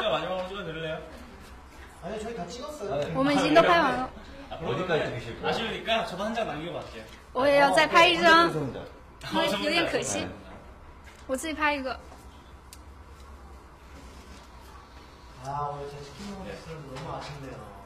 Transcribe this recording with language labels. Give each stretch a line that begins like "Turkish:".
Korean: 마지막으로찍어드릴래요 아니저희다찍었어요
Chinese: 我们已经都拍完了。
Korean: 어디까지찍으실거예요 아쉬우니까저도한장남겨볼게요
Chinese: 我也要再拍一张，因为有点可惜，我自己拍一个。
Korean: 아오늘제치킨먹었을때너무아쉽네요